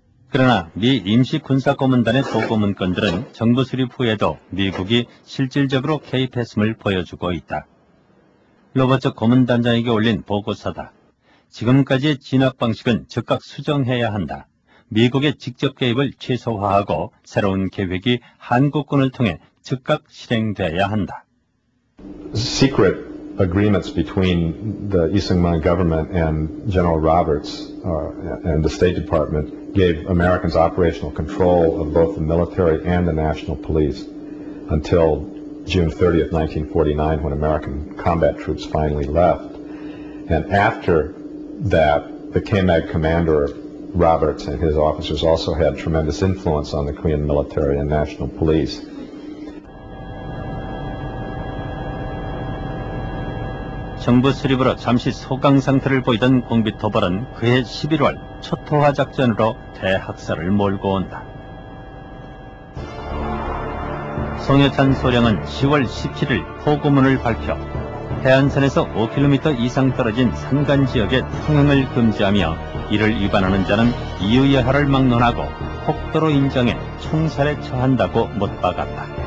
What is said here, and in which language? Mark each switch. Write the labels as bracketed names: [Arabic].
[Korean] 그러나 미 임시군사고문단의 보고문건들은 정부 수립 후에도 미국이 실질적으로 개입했음을 보여주고 있다. 로버츠 고문단장에게 올린 보고서다. 지금까지의 진압 방식은 즉각 수정해야 한다. 미국의 직접 개입을 최소화하고 새로운 계획이 한국군을 통해 즉각 실행돼야 한다. [English] Secret agreements between the Isungman government and General Roberts and the State Department gave Americans operational control of both the military and the national police until June 30th, 1949, when American combat troops finally left. And after that, the KMAG commander, Roberts, and his officers also had tremendous influence on the Korean military and national police. [Korean] 정부 수립으로 잠시 소강 상태를 보이던 공비토벌은 그해 11월 초토화 작전으로 대학살을 몰고 온다. 송여찬 소령은 10월 17일 포고문을 발표 해안선에서 5km 이상 떨어진 산간지역에 통행을 금지하며 이를 위반하는 자는 이유여하를 막론하고 폭도로 인정해 총살에 처한다고 못박았다.